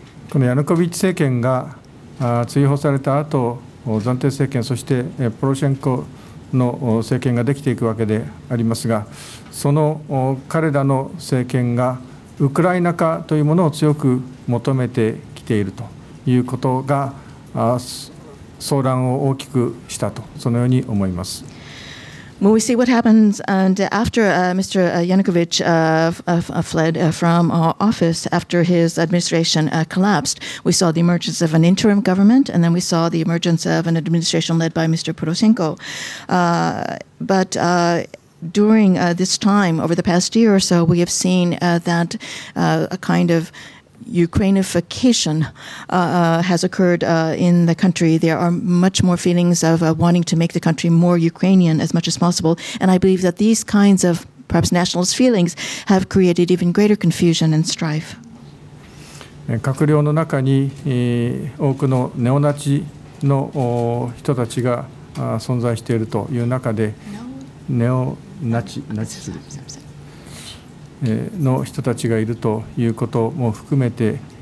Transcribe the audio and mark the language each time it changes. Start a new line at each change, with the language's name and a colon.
Japanese: このヤヌコビッチ政権が追放された後、暫定政権、そしてポロシェンコの政権ができていくわけでありますが、その彼らの政権がウクライナ化というものを強く求めてきているということが騒乱を大きくしたと、そのように思います。
English: When we see what happens and after Mr. Yanukovych fled from office after his administration collapsed, we saw the emergence of an interim government, and then we saw the emergence of an administration led by Mr. Poroshenko. But during this time, over the past year or so, we have seen that a kind ofUkrainification has occurred in the country. There are much more feelings of wanting to make the country more Ukrainian as much as possible. And I believe that these kinds of perhaps nationalist feelings have created even greater confusion and strife.
Japanese: 閣僚の中に多くのネオナチの人たちが存在しているという中で、ネオナチ、ナチスですの人たちがいるということも含めて、